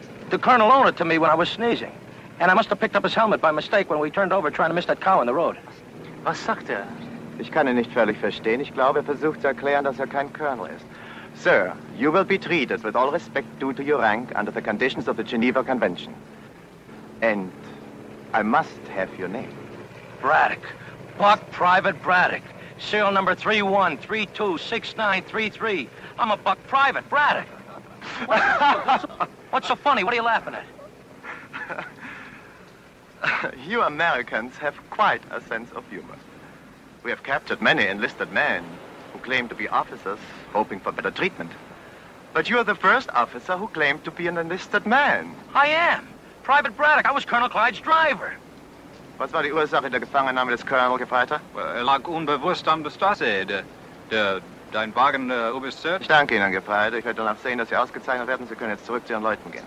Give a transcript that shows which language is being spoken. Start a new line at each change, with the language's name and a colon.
English: The colonel owned it to me when I was sneezing. And I must have picked up his helmet by mistake when we turned over trying to miss that cow in the road.
German: Was sagt er? Ich kann ihn nicht völlig verstehen. Ich glaube, er versucht zu erklären, dass er kein colonel ist.
English: Sir, you will be treated with all respect due to your rank under the conditions of the Geneva Convention. And I must have your name. Braddock. Buck Private Braddock. Serial number 31326933. I'm a Buck Private Braddock. What's so funny? What are you laughing at? You Americans have quite a sense of humor. We have captured many enlisted men who claim to be officers, hoping for better treatment. But you are the first officer who claimed to be an enlisted man. I am. Private Braddock. I was Colonel Clyde's driver.
German: Was war die Ursache der Gefangennahme des Colonel Gefreiter? Er lag unbewusst an der Straße. Dein Wagen überstört. Ich danke Ihnen, Gefreiter. Ich werde danach sehen, dass Sie ausgezeichnet werden. Sie können jetzt zurück zu Ihren Leuten gehen.